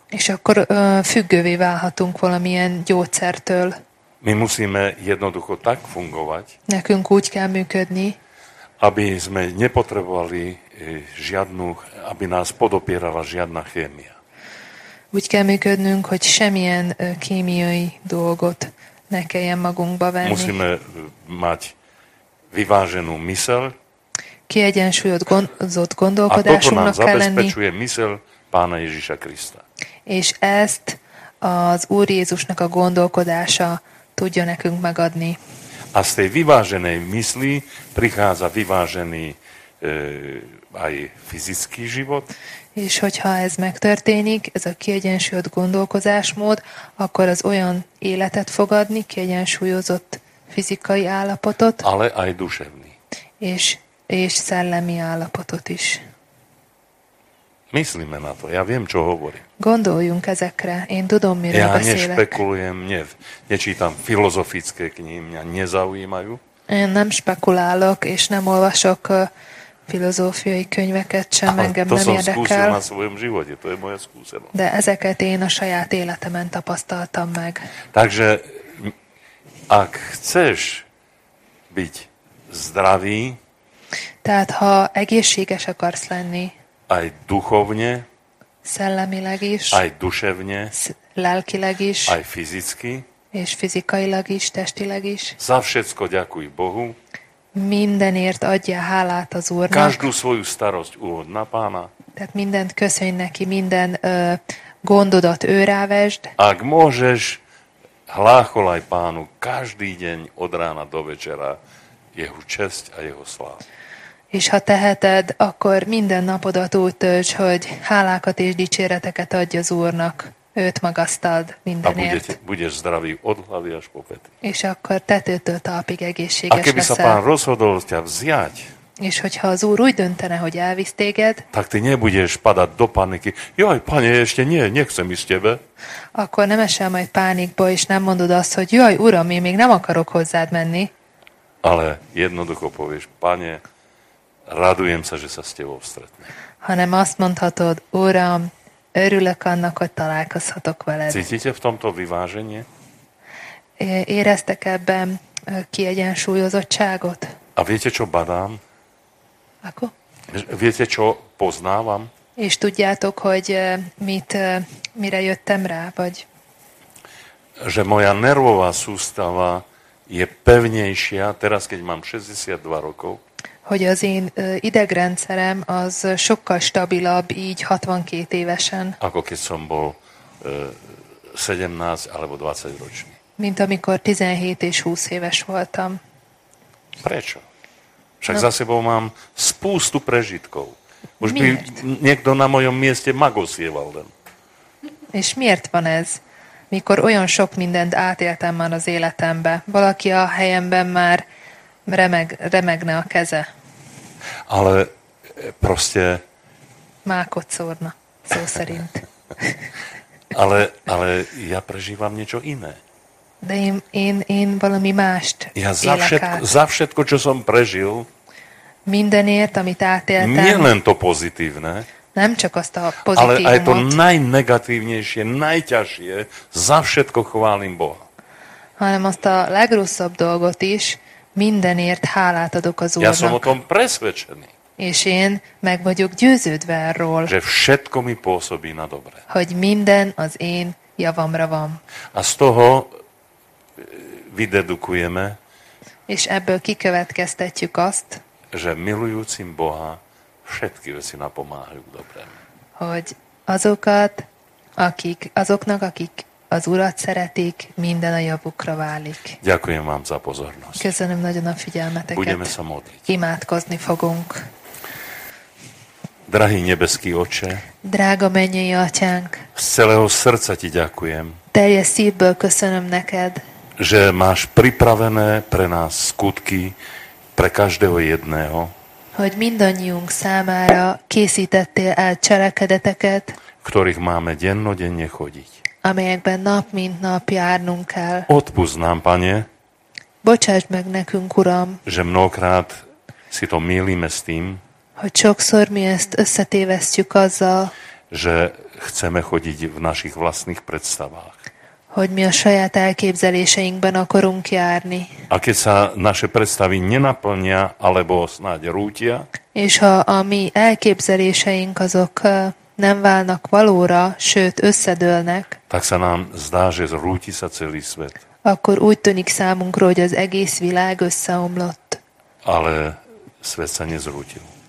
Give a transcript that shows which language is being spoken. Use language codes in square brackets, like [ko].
[hu] És akkor függővé válhatunk valamilyen gyógyszertől. [sk] My musíme jednoducho tak fungovať. [hu] Nekünk úgy kell működni, [sk] aby sme nepotrebovali žiadnu, aby nás podopierala žiadna chémia. [hu] Úgy kell működnünk, hogy semmilyen kémiai dolgot ne kelljen magunkba venni. [sk] Musíme mať vyváženú myseľ. [hu] Kiegyensúlyozott gondolkodásunknak kell lenni. [sk] A toto nám zabezpečuje myseľ Pána Ježiša Krista. [hu] És ezt az Úr Jézusnak a gondolkodása tudja nekünk megadni. [sk] A z tej vyváženej mysli prichádza vyvážený aj fyzický život. [hu] És hogyha ez megtörténik, ez a kiegyensúlyozott gondolkozásmód, akkor az olyan életet fog adni, kiegyensúlyozott fizikai állapotot. [sk] Ale aj duševný. [hu] És szellemi állapotot is. [sk] Myslíme na to, ja viem, čo hovorím. [hu] Gondoljunk ezekre, én tudom, miről beszélek. [sk] Ja nešpekulujem, nečítam filozofické knihy, mňa nezaujímajú. [hu] Én nem spekulálok, és nem olvasok filozófiai könyveket sem, [sk] ale [hu] engem nem érdekel. [sk] Ale to som skúsil na svojom živote, to je moja skúsenosť. [hu] De ezeket én a saját életemen tapasztaltam meg. [sk] Takže, ak chceš byť zdravý, [hu] tehát ha egészséges akarsz lenni, [sk] aj duchovne, [hu] szellemileg is, [sk] aj duševne, [hu] lelkileg is, [sk] aj fyzicky, [hu] és fizikailag is, testileg is. [sk] Za všetko ďakuj Bohu. [hu] Mindenért adja hálát az Úrnak. [sk] Každú svoju starosť uhod na Pána. [hu] Tehát mindent köszönj neki, minden gondodat ő rávesd. [sk] Ak môžeš, hlácholaj Pánu každý deň od rána do večera jeho česť a jeho slávu. [hu] És ha teheted, akkor minden napodat úgy tölts, hogy hálákat és dicséreteket adj az Úrnak. Őt magasztald mindenért. [sk] Budeš zdravý od hlavy až po pety. [hu] És akkor tetőtől talpig egészséges leszel. [sk] A keby sa Pán rozhodol ťa vziať, [hu] és hogyha az Úr úgy döntene, hogy elvisz téged, [sk] tak ty nebudeš padať do paniky. Jaj, Pane, ešte nie, nechcem ísť tebe. [hu] Akkor nem esel majd pánikba, és nem mondod azt, hogy jaj, Uram, én még nem akarok hozzád menni. [sk] Ale jednoducho povieš, Pane, radujem sa, že sa s tebou stretnem. [hu] Hanem azt mondhatod, Uram, örülök annak, hogy találkozhatok veled. [sk] Cítite v tomto vyváženie? [hu] Éreztek ebben kiegyensúlyozottságot? [sk] A viete, čo badám? Ako? Viete, čo poznávam? [hu] És tudjátok, hogy mire jöttem rá, vagy? [sk] Že moja nervová sústava je pevnejšia, teraz keď mám 62 rokov, [hu] hogy az én idegrendszerem az sokkal stabilabb így 62 évesen. [sk] Ako keď som bol 17 alebo 20 ročný. [hu] Mint amikor 17 és 20 éves voltam. [sk] Prečo? Však no. Za sebou mám spústu prežitkov. Už [hu] miért? [sk] By niekto na mojom mieste magosieval len. [hu] És miért van ez? Mikor olyan sok mindent átéltem már az életembe, valaki a helyemben már remegne a keze. [sk] Ale proste... [hu] Mákot szórna, szó szerint. [sk] ale ja prežívam niečo iné. [hu] De én valami mást élek át. [sk] Ja za všetko, čo som prežil... [hu] Mindenért, amit átéltem... [sk] Nielen to pozitívne... [hu] Nem csak azt a pozitívumot. [sk] Ale aj to najnegatívnejšie, najťažšie, za všetko chválim Boha. [hu] Hanem azt a legrosszabb dolgot is, mindenért hálát adok az Úrnak. [sk] Ja som o tom presvedčený. [hu] És én meg vagyok győződve erről. [sk] Že všetko mi pôsobí na dobre. [hu] Hogy minden az én javamra van. [sk] A z toho vydedukujeme. [hu] És ebből kikövetkeztetjük azt. [sk] Že milujúcim Boha všetky veci napomáhajú k dobrému. [hu] Hogy azokat, akik, azoknak, akik az Urat szeretik, minden a javukra válik. [sk] Ďakujem vám za pozornosť. [hu] Köszönöm nagyon a figyelmeteket. [sk] Budeme sa modliť. [hu] Imádkozni fogunk. [sk] Drahý nebeský Oče, [hu] drága mennyei Atyánk, [sk] z celého srdca ti ďakujem, [hu] teljes szívből köszönöm neked, [sk] že máš pripravené pre nás skutky, pre každého jedného, [hu] hogy mindannyiunk számára készítettél el cselekedeteket, [sk] ktorých máme dennodenne chodiť, [hu] amelyekben nap mint nap járnunk kell. [sk] Odpusz nám, Pane, [hu] bocsásd meg nekünk, Uram, [sk] že mnohokrát si to mýlime s tým, [hu] hogy sokszor mi ezt összetévesztjük azzal, [sk] že chceme chodiť v našich vlastných predstavách, [hu] hogy mi a saját elképzeléseinkben akarunk járni. [sk] A keď sa naše predstavy nenaplnia, alebo snáď rútia, [hu] és ha a mi elképzeléseink azok nem válnak valóra, sőt összedőlnek, [sk] tak sa nám zdá, že rúti sa celý svet. [hu] Akkor úgy tűnik számunkra, hogy az egész világ összeomlott. [sk] Ale svet sa nezrútil.